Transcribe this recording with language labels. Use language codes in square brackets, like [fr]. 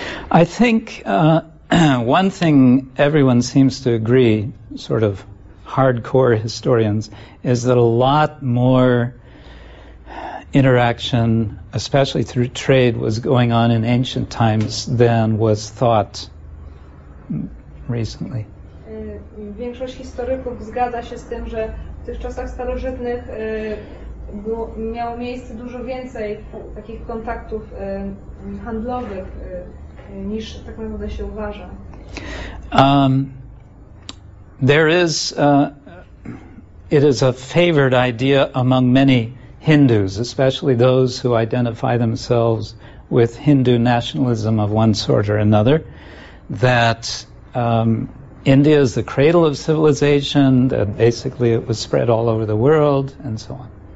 [en] I think one thing everyone seems to agree, sort of hardcore historians, is that a lot more interaction, especially through trade, was going on in ancient times than was thought recently. [pl] Większość historyków zgadza się z tym, że w tych czasach starożytnych miało miejsce dużo więcej takich kontaktów handlowych niż tak naprawdę się uważa. [en] It is a favored idea among many Hindus, especially those who identify themselves with Hindu nationalism of one sort or another, that India is the cradle of civilization, that basically it was spread all over the world, and so on.